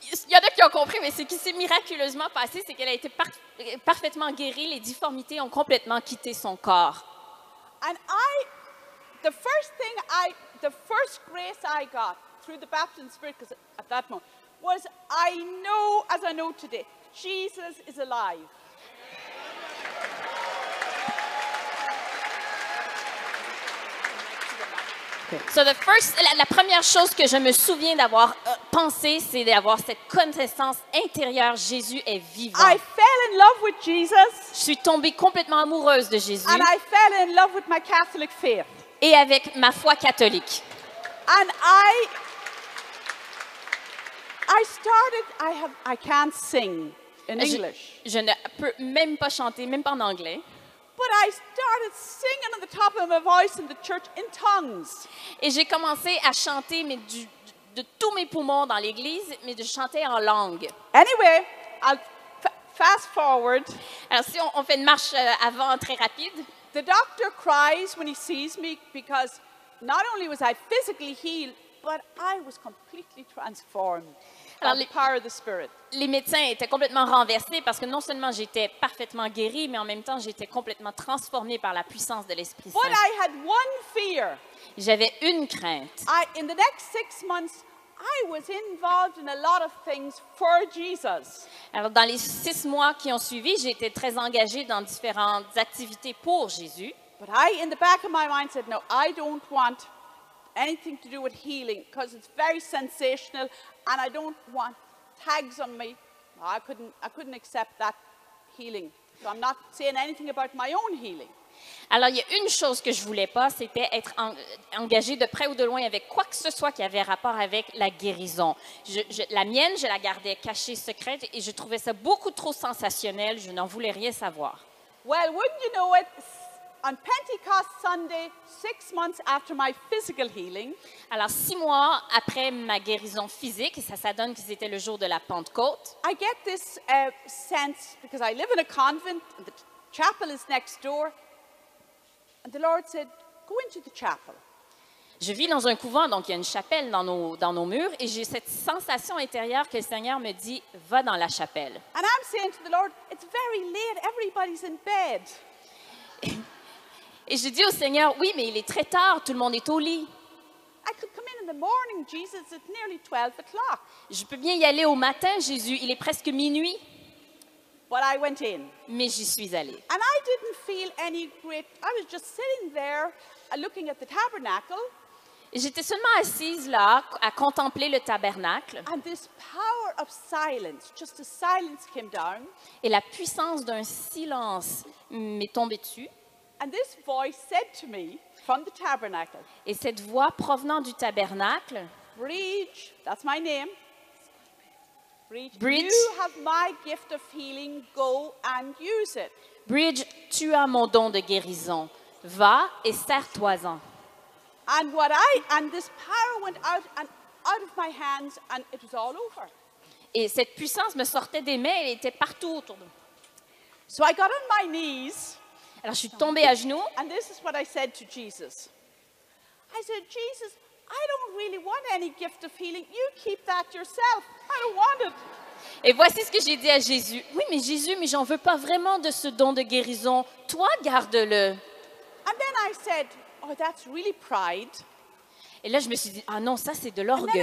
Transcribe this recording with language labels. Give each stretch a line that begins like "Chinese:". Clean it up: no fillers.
French: il y en a qui ont compris, mais ce qui s'est miraculeusement passé, c'est qu'elle a été parfaitement guérie. Les difformités ont complètement quitté son corps.
English: And I, the first thing I, the first grace I got through the baptism of the Spirit, because at that moment, was I know, as I know today, Jesus is alive. So the first,
French: la première chose que je me souviens d'avoir pensé, c'est d'avoir cette connaissance intérieure, Jésus est vivant.
English: I fell in love with Jesus.
French: Je suis tombée complètement amoureuse de Jésus.
English: And I fell in love with my Catholic faith.
French: Et avec ma foi catholique.
English: And I started, I can't sing in English.
French: Je ne peux même pas chanter, même pas en anglais.
English: But I started singing on the top of my voice in the church in tongues.
French: Et j'ai commencé à chanter mais de tous mes poumons dans l'église, mais de chanter en langue.
English: Anyway, I'll fast forward.
French: Alors si on fait une marche avant très rapide.
English: The doctor cries when he sees me because not only was I physically healed, but I was completely transformed.
French: Alors, les médecins étaient complètement renversés parce que non seulement j'étais parfaitement guérie, mais en même temps, j'étais complètement transformée par la puissance de l'Esprit Saint.
English: But I had one fear.
French: J'avais une crainte.
English: In the next 6 months, I was involved in a lot of things for Jesus.
French: Alors, dans les 6 mois qui ont suivi, j'étais très engagée dans différentes activités pour Jésus.
English: But I, in the back of my mind, said, no, I don't want anything to do with healing because it's very sensational. And I don't want tags on me. I couldn't accept that healing. So I'm not saying anything about my own healing.
French: Alors, il y a une chose que je voulais pas, c'était être engagée de près ou de loin avec quoi que ce soit qui avait rapport avec la guérison. La mienne, je la gardais cachée, secrète, et je trouvais ça beaucoup trop sensationnel. Je n'en voulais rien savoir.
English: Well, wouldn't you know it? On Pentecost Sunday, 6 months after my physical healing.
French: Alors 6 mois après ma guérison physique, ça donne que c'était le jour de la Pentecôte.
English: I get this sense because I live in a convent and the chapel is next door. And the Lord said, go into the chapel.
French: Je vis dans un couvent, donc il y a une chapelle dans nos murs et j'ai cette sensation intérieure que le Seigneur me dit, va dans la chapelle.
English: And I'm saying to the Lord, it's very late, everybody's in bed.
French: Et je dis au Seigneur, oui, mais il est très tard, tout le monde est au lit.
English: I could come in the morning, Jesus, at nearly 12 o'clock.
French: Je peux bien y aller au matin, Jésus, il est presque minuit.
English: But I went in.
French: Mais j'y suis allée.
English: And I didn't feel any great, I was just sitting there, looking at the tabernacle.
French: J'étais seulement assise là, à contempler le tabernacle.
English: And this power of silence, just a silence came down.
French: Et la puissance d'un silence m'est tombée dessus.
English: And this voice said to me from the tabernacle.
French: Et cette voix provenant du tabernacle.
English: Bridge, that's my name.
French: Bridge,
English: you have my gift of healing. Go and use it.
French: Bridge, tu as mon don de guérison. Va et sers-toi-en.
English: And what I and this power went out and out of my hands and it was all over.
French: Et cette puissance me sortait des mains et était partout autour de moi.
English: So I got on my knees.
French: Alors, je suis tombée à genoux.
English: And this is what I said to Jesus. I said, Jesus, I don't really want any gift of healing. You keep that yourself. I don't want it.
French: Et voici ce que j'ai dit à Jésus. Oui, mais Jésus, mais j'en veux pas vraiment de ce don de guérison. Toi, garde-le.
English: And then I said, oh, that's really pride.
French: Et là, je me suis dit, ah non, ça, c'est de l'orgueil.